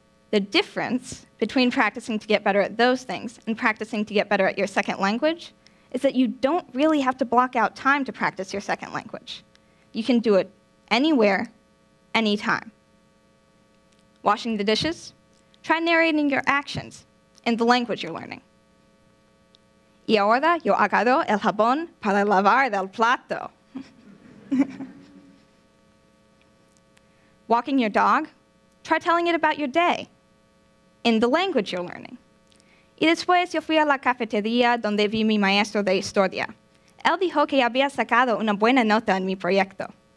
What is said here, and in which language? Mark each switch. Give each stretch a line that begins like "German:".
English: The difference between practicing to get better at those things and practicing to get better at your second language is that you don't really have to block out time to practice your second language. You can do it anywhere, anytime. Washing the dishes? Try narrating your actions in the language you're learning.
Spanish: Y ahora yo agarro el jabón para lavar el plato.
English: Walking your dog? Try telling it about your day in the language you're learning.
Spanish: Y después yo fui a la cafetería donde vi mi maestro de historia. Él dijo que había sacado una buena nota en mi proyecto.